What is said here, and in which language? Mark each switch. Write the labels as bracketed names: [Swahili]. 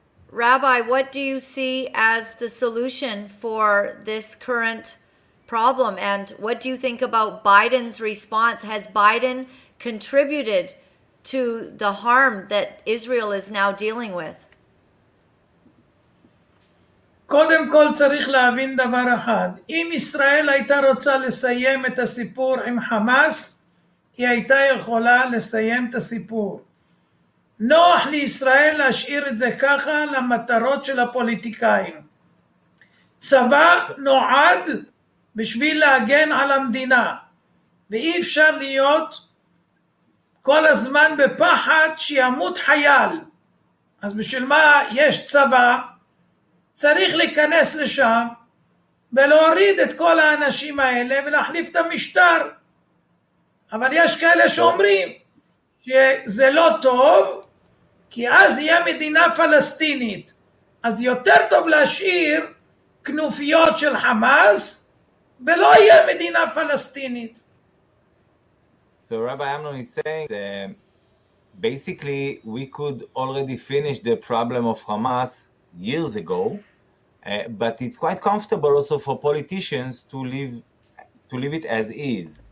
[English] Rabbi, what do you see as the solution for this current problem? And what do you think about Biden's response? Has Biden contributed to the harm that Israel is now dealing with? [Hebrew] קודם כל צריך להבין דבר אחד. אם ישראל הייתה רוצה לסיים את הסיפור עם חמאס, היא הייתה יכולה לסיים את הסיפור. נוח לישראל להשאיר את זה ככה למטרות של הפוליטיקאים. צבא נועד בשביל להגן על המדינה, ואי אפשר להיות כל הזמן בפחד שימות חייל. אז בשביל מה יש צבא? צריך להיכנס לשם ולהוריד את כל האנשים האלה ולהחליף את המשטר. אבל יש כאלה שאומרים שזה לא טוב, כי אז יהיה מדינה פלסטינית. אז יותר טוב להשאיר כנופיות של חמאס ולא יהיה מדינה פלסטינית. [English] So Rabbi Amnon is saying that basically we could already finish the problem of Hamas years ago, but it's quite comfortable also for politicians to leave it as is.